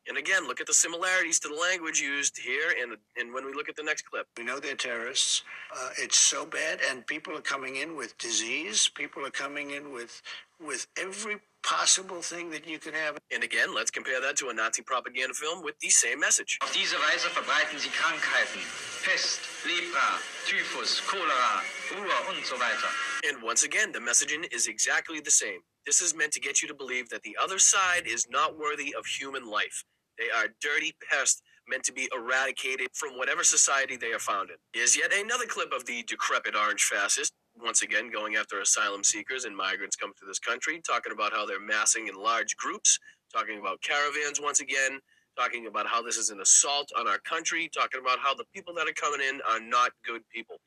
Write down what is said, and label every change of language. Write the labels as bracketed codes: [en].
[en] And again, look at the similarities to the language used here and when we look at the next clip. We know they're terrorists. It's so bad, and people are coming in with disease. People are coming in with every possible thing that you can have. And again, let's compare that to a Nazi propaganda film with the same message. [de] Auf diese Weise verbreiten sie Krankheiten, Pest, Lepra, Typhus, Cholera, Ruhr und so weiter. [en] And once again, the messaging is exactly the same. This is meant to get you to believe that the other side is not worthy of human life. They are dirty pests meant to be eradicated from whatever society they are found in. Here's yet another clip of the decrepit orange fascist, once again going after asylum seekers and migrants coming to this country, talking about how they're massing in large groups, talking about caravans once again, talking about how this is an assault on our country, talking about how the people that are coming in are not good people.